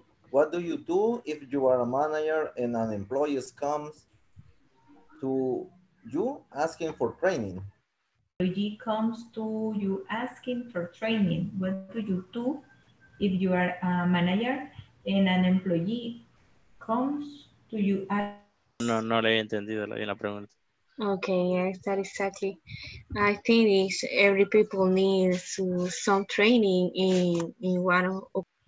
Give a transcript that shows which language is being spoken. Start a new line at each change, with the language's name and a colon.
English: What do you do if you are a manager and an employee comes to you asking for training? Employee comes to you asking for training. What do you do if you are a manager and an employee comes to you asking?
Spanish: No, no le he entendido la bien la pregunta.
English: Okay, yes, that exactly. I think it's every people needs some training in one of.